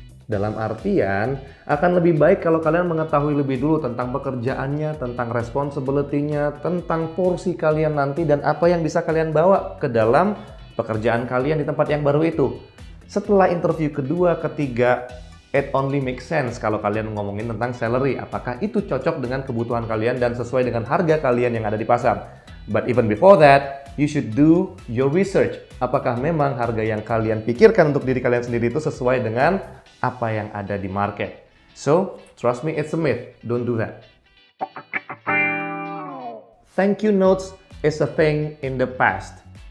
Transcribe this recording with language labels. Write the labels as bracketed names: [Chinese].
[Indonesian] Dalam artian, akan lebih baik kalau kalian mengetahui lebih dulu tentang pekerjaannya, tentang responsibility-nya, tentang porsi kalian nanti, dan apa yang bisa kalian bawa ke dalam pekerjaan kalian di tempat yang baru itu. Setelah interview kedua, ketiga, [English] it only makes sense [Indonesian] kalau kalian ngomongin tentang salary. Apakah itu cocok dengan kebutuhan kalian dan sesuai dengan harga kalian yang ada di pasar? [English] But even before that, you should do your research. [Indonesian] Apakah memang harga yang kalian pikirkan untuk diri kalian sendiri itu sesuai dengan apa yang ada di market? [English] So, trust me, it's a myth. Don't do that. Thank you notes is a thing in the past.